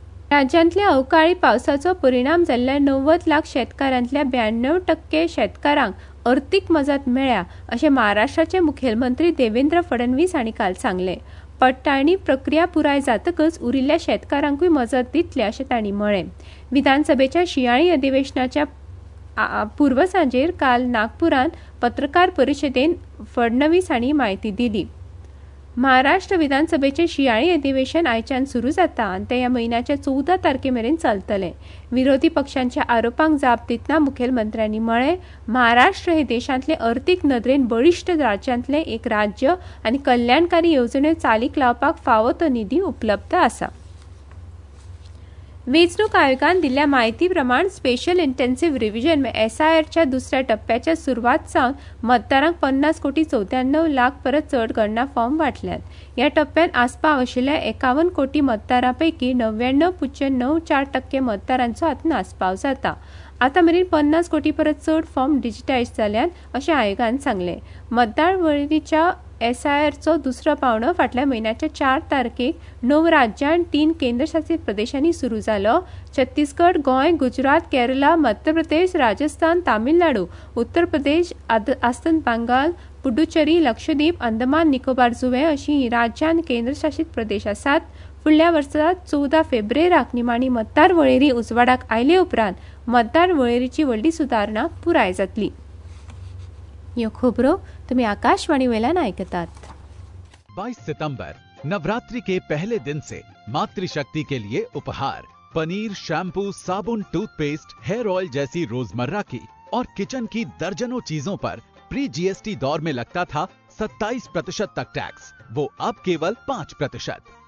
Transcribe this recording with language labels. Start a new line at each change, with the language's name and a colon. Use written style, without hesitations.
Konkani: राज्यांतल्या अवकाळी पावसाचो परिणाम जाल्ल्या 90 लाख शेतकारांतल्या 92% शेतकारांक अर्थीक मजत मेळ्या अशें महाराष्ट्राचे मुखेलमंत्री देवेंद्र फडणवीस हांणी काल सांगले. पडटाळणी प्रक्रिया पुराय जातकच उरिल्ल्या शेतकारांकूय मजत दितले अशें तांणी म्हळें. विधानसभेच्या शियाळी अधिवेशनाच्या पूर्वसांजेर काल नागपुरांत पत्रकार परिशदेन फडणवीस हांणी म्हायती दिली. महाराष्ट्र विधानसभेचे शियाळी अधिवेशन आयच्यान सुरू जाता आनी ते ह्या म्हयन्याच्या 14 तारखेमेरेन चलतले. विरोधी पक्षांच्या आरोपांक जाप दितना मुखेलमंत्र्यांनी म्हळें, महाराष्ट्र हे देशांतले अर्थीक नदरेन बळिश्ट राज्यांतले एक राज्य आनी कल्याणकारी येवजण्यो चालीक लावपाक फावो तो निधी उपलब्ध आसा. वेंचणूक आयोगान दिल्ल्या माहिती प्रमाण स्पेशल इंटेन्सिव्ह रिव्हिजन SIRच्या दुसऱ्या टप्प्याच्या सुरवात सावन मतदारांक 50,94,00,000 परत चड गणना फॉर्म वाटल्यात. ह्या टप्प्यात आसपाव आशिल्ल्या 51 कोटी मतदारांपैकी 99.94% मतदारांचो हातून आसपाव जाता. आता मेरेन 50 कोटी परत चड फॉर्म डिजिटायज जाल्यात अशें आयोगान सांगले. मतदार वळेरीच्या SIRचो दुसरो पांवडो फाटल्या म्हयन्याच्या 4 तारखेक 9 राज्यां आनी 3 केंद्रशासित प्रदेशांनी सुरू जालो. छत्तीसगड, गोंय, गुजरात, केरला, मध्य प्रदेश, राजस्थान, तामिळनाडू, उत्तर प्रदेश, अस्तंत बंगाल, पुडुचेरी, लक्षद्वीप, अंदमान निकोबार जुवे अशी ही राज्यां आनी केंद्रशासित प्रदेश आसात. फुडल्या वर्सा 14 फेब्रुवारीक निमाणी मतदार वळेरी उजवाडाक आयले उपरांत मतदार वळेरीची व्हडली सुदारणा पुराय जातली. यो खबरो तुम्ही आकाशवाणी वेलान ऐकतात.
Hindi: 22 सितंबर नवरात्रि के पहले दिन से मातृशक्ति के लिए उपहार पनीर, शैम्पू, साबुन, टूथपेस्ट, हेयर ऑयल जैसी रोजमर्रा की और किचन की दर्जनों चीजों पर प्री GST दौर में लगता था 27% तक टैक्स, वो अब केवल 5%.